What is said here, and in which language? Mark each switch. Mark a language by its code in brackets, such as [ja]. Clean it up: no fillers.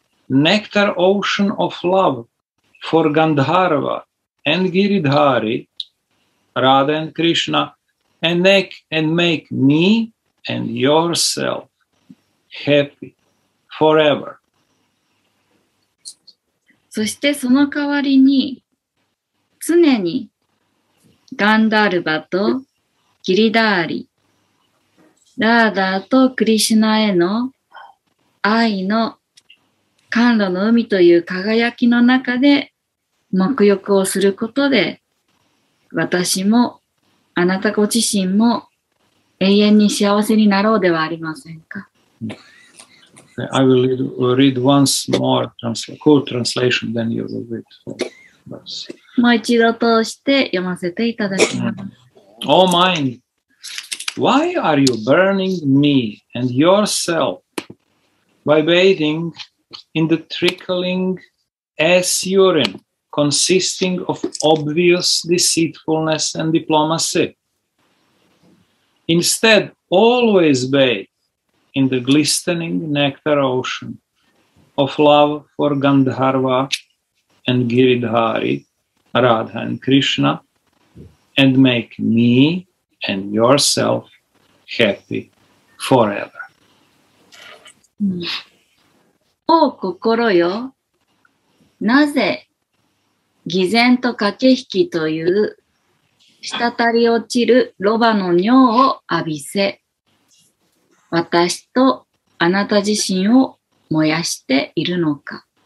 [en] Nectar ocean of love for Gandharva and Giridhari, Radha and Krishna, and make me and yourself happy forever. [ja] そしてその代わりに常にガンダルバとギリダーリ、ラーダーとクリシュナへの愛の甘露の海という輝きの中で沐浴をすることで私もあなたご自身も永遠に幸せになろうではありませんか。 [en] I will read once more translation then you will read. [ja] もう一度通して読ませていただきます。 [en] Oh mind, why are you burning me and yourself by bathingIn the trickling ass urine consisting of obvious deceitfulness and diplomacy. Instead, always bathe in the glistening nectar ocean of love for Gandharva and Giridhari, Radha and Krishna, and make me and yourself happy forever. [ja] お心よ、なぜ偽善と駆け引きという滴り落ちるロバの尿を浴びせ、私とあなた自身を燃やしているのか。